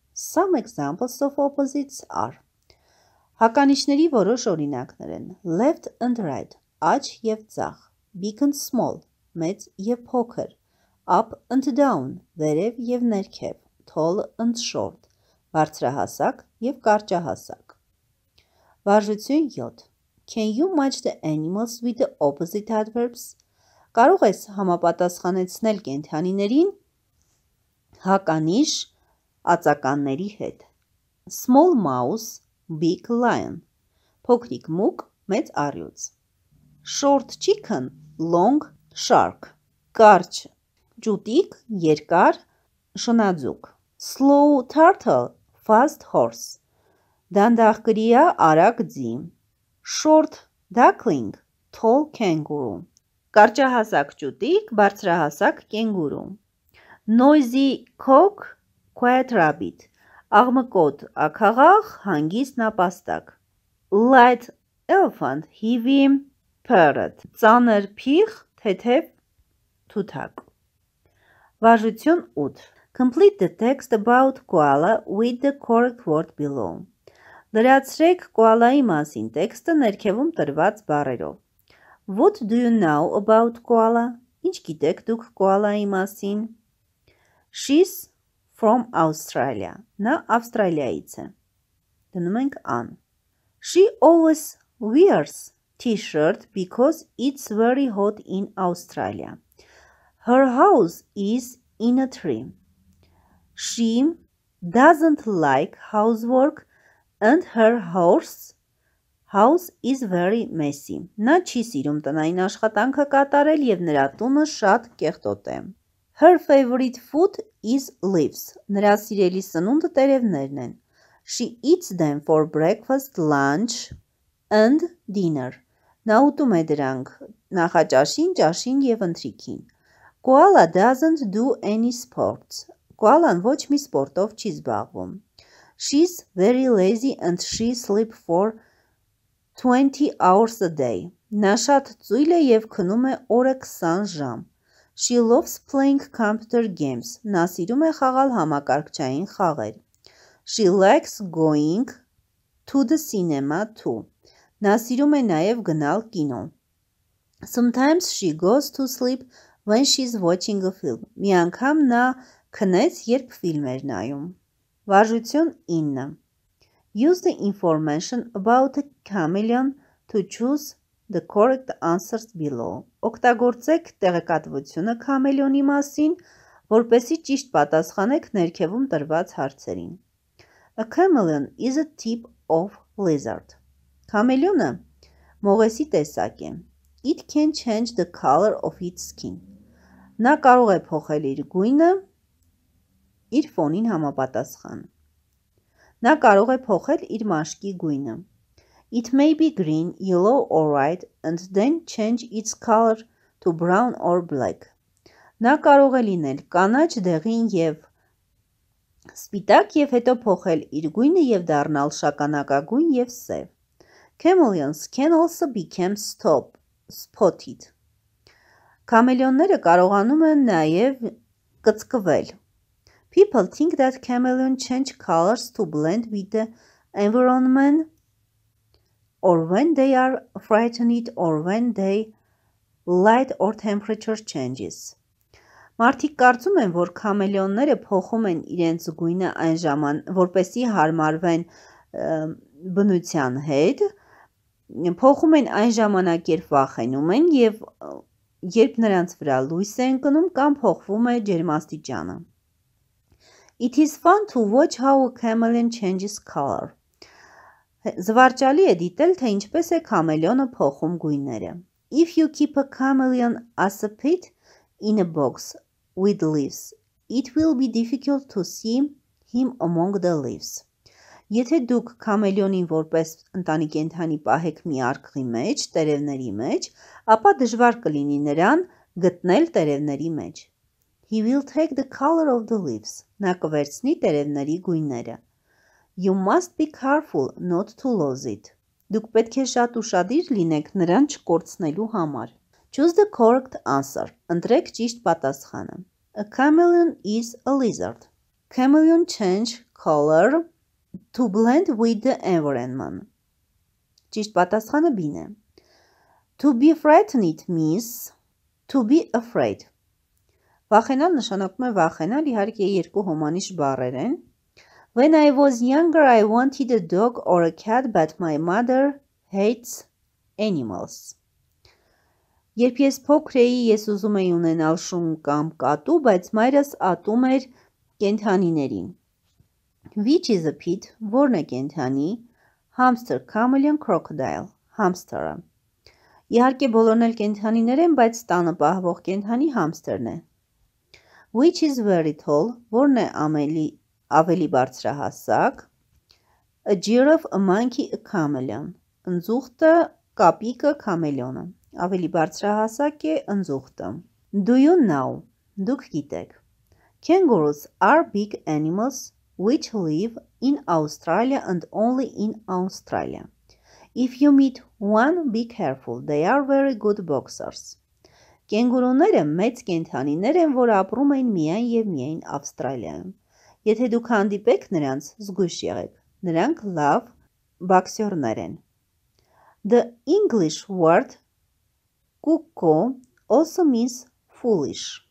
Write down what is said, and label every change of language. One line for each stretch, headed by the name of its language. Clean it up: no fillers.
English: Some examples of opposites are.
Armenian: Հականիշների որոշ օրինակներ են.
English: Left and right,
Armenian: աջ և ձախ.
English: Big and small,
Armenian: մեծ և փոքր.
English: Up and down,
Armenian: վերև և ներքև.
English: Tall and short,
Armenian: բարձրահասակ և կարճահասակ. Վարժություն 7.
English: Can you match the animals with the opposite adverbs?
Armenian: Կարող ես համապատասխանեցնել կենդանիներին հականիշ ածականների հետ.
English: Small mouse, big lion.
Armenian: Փոքրիկ մուկ, մեծ առյուծ.
English: Short chicken, long shark.
Armenian: Կարճ ջուտիկ, երկար շնաձուկ.
English: Slow turtle, fast horse.
Armenian: Դանդաղ կրիա, արագ ձի.
English: Short duckling, tall kangaroo.
Armenian: Կարճահասակ ջուտիկ, բարձրահասակ կենգուրու.
English: Noisy cock, quiet rabbit.
Armenian: Աղմկոտ ակաղաղ, հանգիստ նապաստակ.
English: Light elephant, heavy parrot.
Armenian: Ծանր փիղ, թեթև թութակ. Վարժություն 8.
English: Complete the text about koala with the correct word below.
Armenian: Լրացրեք կոալայի մասին տեքստը ներքևում տրված բառերով.
English: What do you know about koala?
Armenian: Ինչ գիտեք դուք կոալայի մասին?
English: She's from Australia.
Armenian: Նա Ավստրալիայից է. Դնում ենք an.
English: She always wears t-shirt because it's very hot in Australia. Her house is in a tree. She doesn't like housework and her house is very messy.
Armenian: Նա չի սիրում տնային աշխատանքը կատարել և նրա տունը շատ կեղտոտ է.
English: Her favorite food is leaves.
Armenian: Նրա սիրելի սնունդը տերևներն են.
English: She eats them for breakfast, lunch and dinner.
Armenian: Նա ուտում է դրանք նախաճաշին, ճաշին և ընթրիքին.
English: Koala doesn't do any sports.
Armenian: Koalan ոչ մի սպորտով չի զբաղվում.
English: She's very lazy and she sleeps for 20 hours a day.
Armenian: Նա շատ ծույլ է և քնում է օրը 20 ժամ.
English: She loves playing computer games.
Armenian: Նա սիրում է խաղալ համակարգչային խաղեր.
English: She likes going to the cinema too.
Armenian: Նա սիրում է նաև գնալ կինո.
English: Sometimes she goes to sleep when she's watching a film.
Armenian: Մի անգամ նա քնեց, երբ ֆիլմ էր նայում. Վարժություն 9.
English: Use the information about a chameleon to choose the correct answers below.
Armenian: Օգտագործեք տեղեկատվությունը քամելեոնի մասին, որպեսզի ճիշտ պատասխանեք ներքևում տրված հարցերին.
English: A chameleon is a type of lizard.
Armenian: Քամելեոնը մողեսի տեսակ է.
English: It can change the color of its skin.
Armenian: Նա կարող է փոխել իր գույնը իր ֆոնին համապատասխան. Նա կարող է փոխել իր մաշկի գույնը.
English: It may be green, yellow or white and then change its color to brown or black.
Armenian: Նա կարող է լինել կանաչ, դեղին և սպիտակ և հետո փոխել իր գույնը և դառնալ շագանակագույն և սև.
English: Chameleons can also become spotted.
Armenian: Քամելեոնները կարողանում են նաև կծկվել.
English: People think that chameleons change colors to blend with the environment or when they are frightened or when they light or temperature changes.
Armenian: Մարդիկ կարծում են, որ քամելեոնները փոխում են իրենց գույնը այն ժաման, որպեսի հարմարվեն բնության հետ, փոխում են այն ժամանակ, երբ վախենում են և երբ նրանց վրա լույս է ընկնում կամ փոխվում է ջերմաստիճանը.
English: It is fun to watch how a chameleon changes color.
Armenian: Զվարճալի է դիտել, թե ինչպես է քամելեոնը փոխում գույները.
English: If you keep a chameleon as a pet in a box with leaves, it will be difficult to see him among the leaves.
Armenian: Եթե դուք քամելեոնին որպես ընտանի կենդանի պահեք մի արկղի մեջ, տերևների մեջ, ապա դժվար կլինի նրան գտնել տերևների մեջ.
English: He will take the color of the leaves.
Armenian: Նա կվերցնի տերևների գույները.
English: You must be careful not to lose it.
Armenian: Դուք պետք է շատ ուշադիր լինեք նրան չկորցնելու համար.
English: Choose the correct answer.
Armenian: Ընտրեք ճիշտ պատասխանը.
English: A chameleon is a lizard. Chameleon change color to blend with the environment.
Armenian: Ճիշտ պատասխանը B-ն է.
English: To be frightened means to be afraid.
Armenian: Վախենալ նշանակում է վախենալ, իհարկե երկու հոմանիշ բառեր են.
English: When I was younger, I wanted a dog or a cat, but my mother hates animals.
Armenian: Երբ ես փոքր էի, ես ուզում էի ունենալ շունգ կամ կատու, բայց մայրս ատում էր կենդանիներին.
English: Which is a pit?
Armenian: Որն է կենդանի?
English: Hamster, chameleon, crocodile. Hamster-ը.
Armenian: Իհարկե բոլորն էլ կենդանիներ են, բայց տանը պահվող կենդանի hamster-ն է.
English: Which is very tall?
Armenian: Որն է ավելի բարձրահասակ?
English: A giraffe, a monkey, a chameleon.
Armenian: Ընձուղտը, կապիկը, քամելեոնը. Ավելի բարձրահասակ է ընձուղտը.
English: Do you know?
Armenian: Դուք գիտեք.
English: Kangaroos are big animals which live in Australia and only in Australia. If you meet one, be careful. They are very good boxers.
Armenian: Կենգուրուները մեծ կենդանիներ են, որ ապրում են միայն եւ միայն Ավստրալիայում։ Եթե դուք հանդիպեք նրանց, զգույշ եղեք։ Նրանք լավ բոքսերներ են։
English: The English word cuckoo also means foolish.